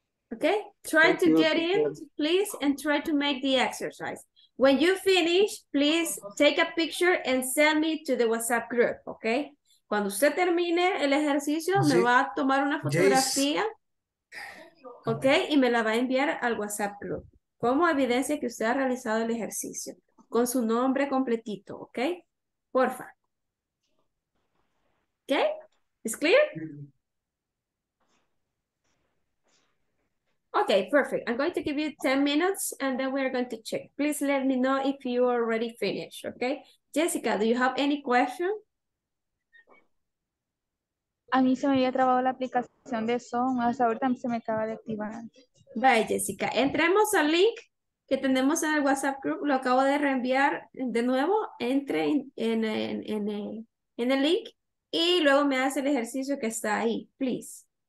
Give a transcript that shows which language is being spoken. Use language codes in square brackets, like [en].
[en] Okay, try to get in, please, and try to make the exercise. When you finish, please take a picture and send me to the WhatsApp group, okay? [es] Cuando usted termine el ejercicio, me va a tomar una fotografía, okay? Y me la va a enviar al WhatsApp group como evidencia que usted ha realizado el ejercicio con su nombre completito, okay? Porfa. [en] Okay? Is clear? Okay, perfect. I'm going to give you 10 minutes and then we're going to check. Please let me know if you already finished, okay? Jessica, do you have any question? [es] A mí se me había trabado la aplicación de Zoom, hasta ahorita se me acaba de activar. [en] Bye, Jessica. [es] Entremos al link que tenemos en el WhatsApp group. Lo acabo de reenviar de nuevo. Entre en el link y luego me hace el ejercicio que está ahí, please.